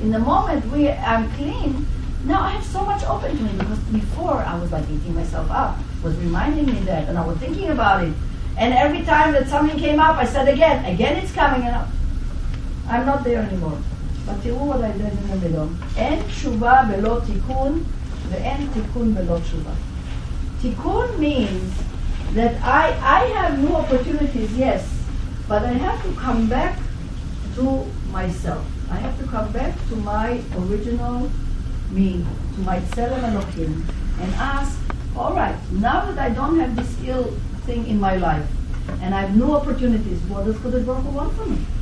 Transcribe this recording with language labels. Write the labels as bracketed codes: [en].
[en] In the moment I'm clean, now I have so much open to me, because before I was like eating myself up, was reminding me that, and I was thinking about it. And every time that something came up, I said again it's coming, and I'm not there anymore. But תראו what I did in the middle. [he] אין תשובה בלא תיקון, ואין תיקון בלא תשובה. [en] תיקון means that I have new opportunities, yes, but I have to come back to myself. I have to come back to my original me, to my Tzelem Elohim, and ask, all right, now that I don't have this ill thing in my life, and I have new opportunities, what does Kodesh Baruch Hu want for me?